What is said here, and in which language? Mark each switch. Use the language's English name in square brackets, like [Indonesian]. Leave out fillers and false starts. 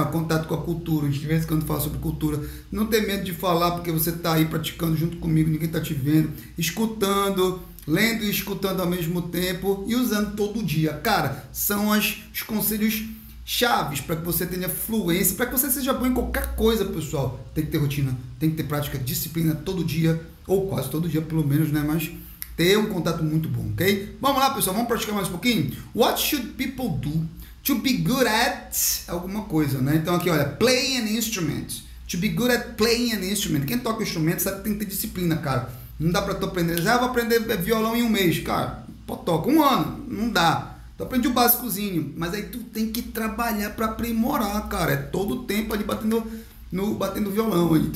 [Portuguese] O contato com a cultura, de vez em quando fala sobre cultura. Não ter medo de falar porque você está aí praticando junto comigo, ninguém está te vendo, escutando, lendo e escutando ao mesmo tempo e usando todo dia. Cara, são os conselhos chaves para que você tenha fluência, para que você seja bom em qualquer coisa, pessoal. Tem que ter rotina, tem que ter prática, disciplina todo dia, ou quase todo dia, pelo menos, né? Mas ter um contato muito bom, ok? Vamos lá, pessoal, vamos praticar mais um pouquinho? [English] What should people do to be good at [Portuguese] alguma coisa, né? Então aqui, olha, [English] play an instrument. To be good at playing an instrument. [Portuguese] Quem toca instrumento sabe que tem que ter disciplina, cara. Não dá pra tu aprender. Ah, vou aprender violão em um mês, cara. Pô, toca um ano. Não dá. Tu aprende o básicozinho. Mas aí tu tem que trabalhar pra aprimorar, cara. É todo o tempo ali batendo no batendo violão.